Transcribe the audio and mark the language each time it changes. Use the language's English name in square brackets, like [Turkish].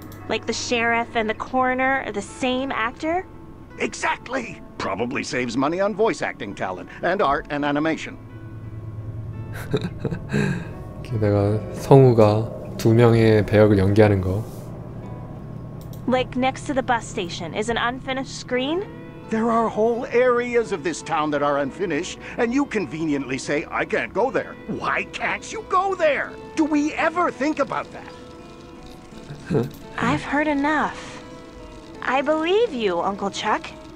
[English] Like the sheriff and the coroner are the same actor? Exactly! Probably saves money on voice acting talent and art and animation. [Korean] 게다가 성우가 두 명의 배역을 연기하는 거. [English] Like next to the bus station is an unfinished screen? There are whole areas of this town that are unfinished, and you conveniently say, I can't go there. Why can't you go there? Do we ever think about that? I've heard enough. I believe you, Uncle Chuck.